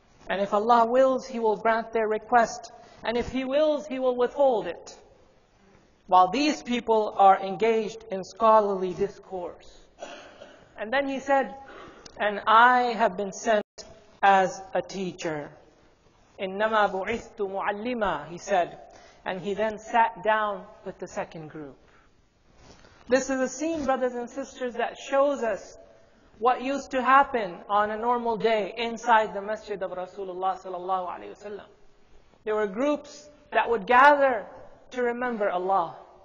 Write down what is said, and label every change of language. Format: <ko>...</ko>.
<en>And if Allah wills, He will grant their request. And if He wills, He will withhold it. While these people are engaged in scholarly discourse. And then he said, and I have been sent as a teacher.</en> <ar>إِنَّمَا بُعِثْتُ مُعَلِّمًا,</ar> <en>he said. And he then sat down with the second group. This is a scene, brothers and sisters, that shows us what used to happen on a normal day inside the masjid of Rasulullah sallallahu alayhi wa sallam. There were groups that would gather to remember Allah.</en>